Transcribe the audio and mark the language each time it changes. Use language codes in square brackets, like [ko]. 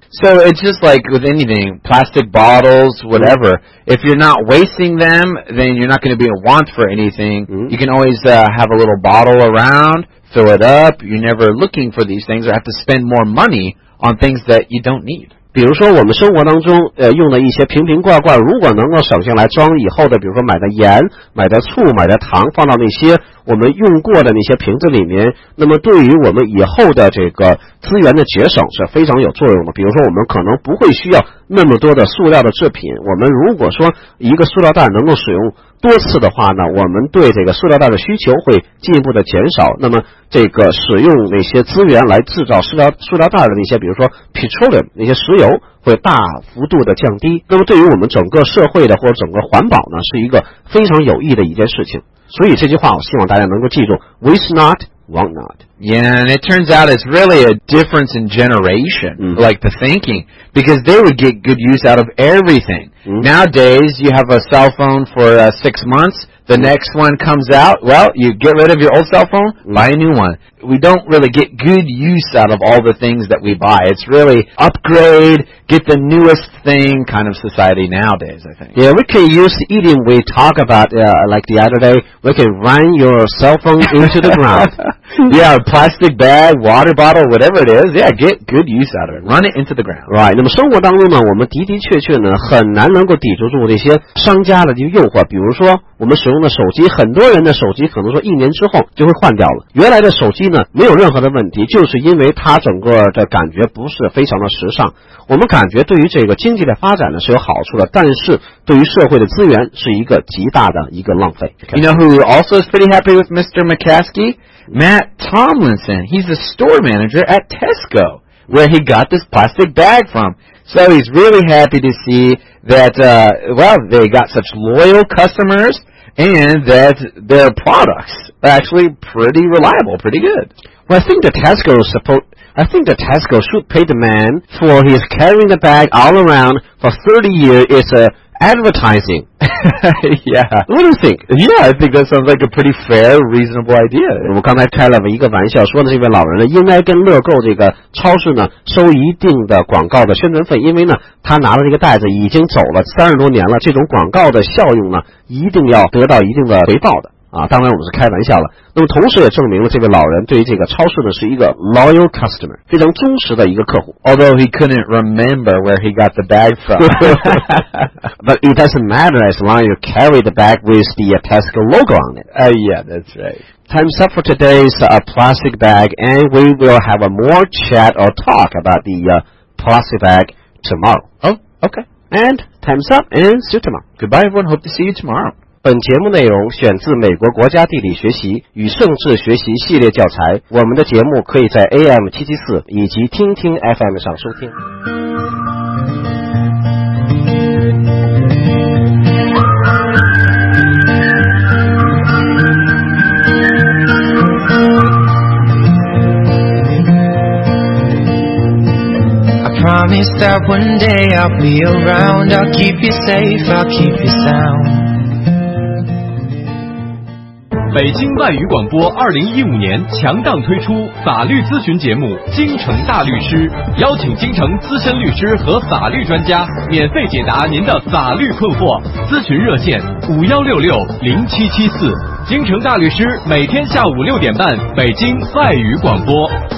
[en] So it's just like with anything, plastic bottles, whatever, if you're not wasting them, then you're not going to be a want for anything. You can always、have a little bottle aroundfill it up, you're never looking for these things or have to spend more money on things that you don't need. [zh] 比如说我们生活当中、用的一些瓶瓶罐罐，如果能够省下来装以后的，比如说买的盐、买的醋、买的糖，放到那些我们用过的那些瓶子里面，那么对于我们以后的这个资源的节省是非常有作用的。比如说我们可能不会需要那么多的塑料的制品，我们如果说一个塑料袋能够使用多次的话呢，我们对这个塑料袋的需求会进一步的减少，那么这个使用那些资源来制造塑料袋的那些，比如说 petroleum 那些石油会大幅度的降低，那么对于我们整个社会的或者整个环保呢是一个非常有益的一件事情。所以这句话我希望大家能够记住， [en] waste not, want not. Yeah, and it turns out it's really a difference in generation,、 mm-hmm. like the thinking, because they would get good use out of everything.、 Mm-hmm. Nowadays, you have a cell phone for、6 months, the、mm-hmm. next one comes out, well, you get rid of your old cell phone,、mm-hmm. buy a new one. We don't really get good use out of all the things that we buy. It's really upgrade, get the newest thing kind of society nowadays, I think. Yeah, we can use even we talk about,、like the other day, we can run your cell phone into the ground. Yeah, plastic bag, water bottle, whatever it is, yeah, get good use out of it. Run it into the ground. [zh] Right, 那么生活当中呢，我们的的确确呢，很难能够抵制住那些商家的诱惑，比如说我们使用的手机，很多人的手机可能说一年之后就会换掉了。原来的手机呢，没有任何的问题，就是因为它整个的感觉不是非常的时尚。我们感觉对于这个经济的发展呢是有好处的，但是对于社会的资源是一个极大的一个浪费。 [en] You know who also is pretty happy with Mr. McCaskey? Matt Tomlinson. He's a store manager at Tesco, where he got this plastic bag from. So he's really happy to see that, well, they got such loyal customers, and that their products are actually pretty reliable, pretty good. Well, I think the Tesco should pay the man for his carrying the bag all around for 30 years. It's advertising. Yeah. What do you think? Yeah, I think that sounds like a pretty fair, reasonable idea. [zh] 我们刚才开了一个玩笑，说的这位老人呢，应该跟乐购这个超市呢收一定的广告的宣传费，因为呢，他拿了这个袋子已经走了30多年了，这种广告的效用呢，一定要得到一定的回报的。啊，当然我们是开玩笑了。那么同时也证明了这个老人对于这个超市呢是一个 loyal customer， 非常忠实的一个客户。 [en] Although he couldn't remember where he got the bag from. But it doesn't matter as long as you carry the bag with the Tesco logo on it. Yeah, that's right. Time's up for today's plastic bag, and we will have a more chat or talk about the plastic bag tomorrow. Oh, okay. And time's up, and see you tomorrow. Goodbye, everyone. Hope to see you tomorrow. [zh] 本节目内容选自美国国家地理学习与政治学习系列教材，我们的节目可以在 AM774 以及听听 FM 上收听。 [en] Promise that one day I'll be around, I'll keep you safe, I'll keep you sound. [zh] 北京外语广播2015年强档推出法律咨询节目《京城大律师》，邀请京城资深律师和法律专家免费解答您的法律困惑。咨询热线5166-0774，京城大律师每天下午6:30，北京外语广播。